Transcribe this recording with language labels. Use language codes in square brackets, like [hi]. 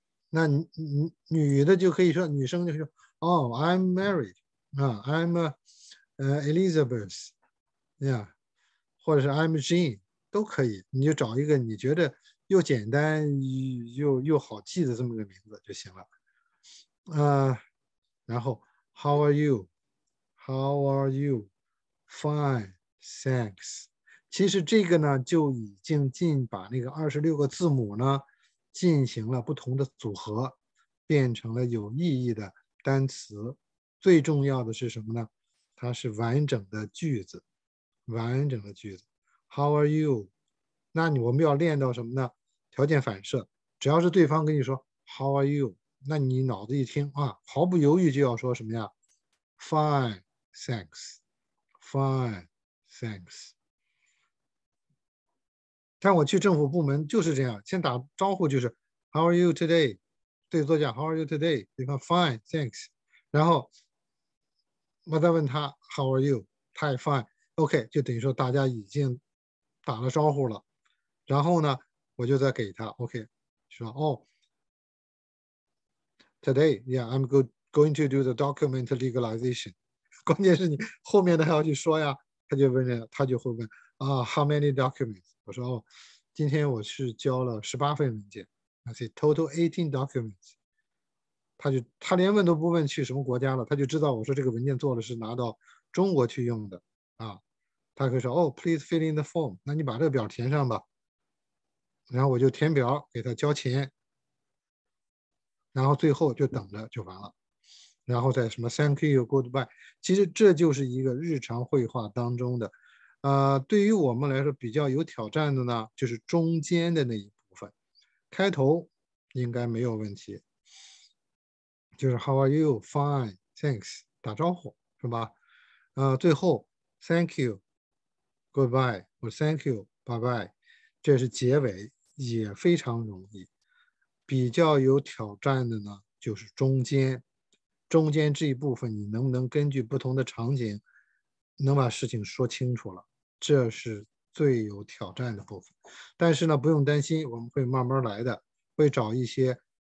[zh] 那女的就可以说，女生就说，哦 ， [en] I'm married。 I'm Elizabeth， yeah， [zh] 或者是 [en] I'm Jean [zh] 都可以，你就找一个你觉得又简单又好记的这么个名字就行了。然后 [en] How are you? How are you? Fine, thanks。 [zh] 其实这个呢就已经进把那个26个字母呢进行了不同的组合，变成了有意义的单词。最重要的是什么呢？它是完整的句子，完整的句子。 [en] How are you？ [zh] 那我们要练到什么呢？条件反射，只要是对方跟你说 [en] How are you？ [zh] 那你脑子一听啊，毫不犹豫就要说什么呀 ？ [en] Fine, thanks. Fine, thanks. [zh] 但我去政府部门就是这样，先打招呼就是 [en] How are you today？ [zh] 对作家 [en] How are you today？ [zh] 对方 [en] Fine, thanks。 [zh] 然后我再问他 [en] How are you? [zh] 他也 [en] fine OK， [zh] 就等于说大家已经打了招呼了。然后呢我就再给他 [en] OK， [zh] 说哦 [en] Today yeah I'm going to do the document legalization。 [zh] 关键是你后面的还要去说呀，他就会问 [en] How many documents？ [zh] 我说哦，今天我是交了18份文件， [en] I say total 18 documents。 [zh] 他连问都不问去什么国家了，他就知道我说这个文件做的是拿到中国去用的啊。他可以说哦 ， [en] please fill in the form， [zh] 那你把这个表填上吧。然后我就填表给他交钱，然后最后就等着就完了。然后再什么 [en] thank you goodbye， [zh] 其实这就是一个日常会话当中的，对于我们来说比较有挑战的呢，就是中间的那一部分，开头应该没有问题。就是 [en] How are you? Fine, thanks. [zh] 打招呼是吧？最后 [en] Thank you, goodbye, [zh] 或 [en] Thank you, bye bye， [zh] 这是结尾，也非常容易。比较有挑战的呢，就是中间这一部分，你能不能根据不同的场景，能把事情说清楚了？这是最有挑战的部分。但是呢，不用担心，我们会慢慢来的，会找一些。